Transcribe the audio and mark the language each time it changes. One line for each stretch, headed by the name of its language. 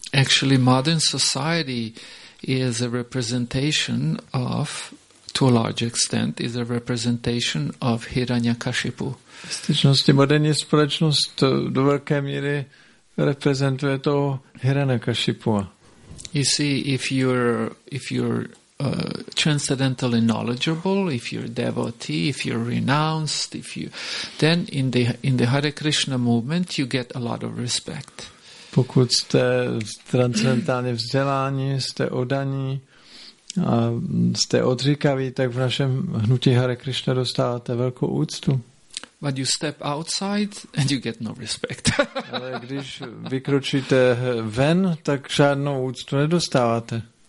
English: Actually, modern society is a representation of, to a large extent, is a representation of Hiranyakashipu.
Czech: V skutečnosti moderní společnost do velké míry reprezentuje to Hiranyakashipu.
English: You see, if you're transcendentally knowledgeable, if you're a devotee, if you're renounced, then in the Hare Krishna movement, you get a lot of respect.
Czech: Pokud jste transcendentálně vzdělání, jste oddaní a jste odříkaví, tak v našem hnutí Hare Krishna dostáváte velkou úctu.
English: But you step outside and you get no respect.
Czech: Ale když vykročíte ven, tak žádnou úctu nedostáváte.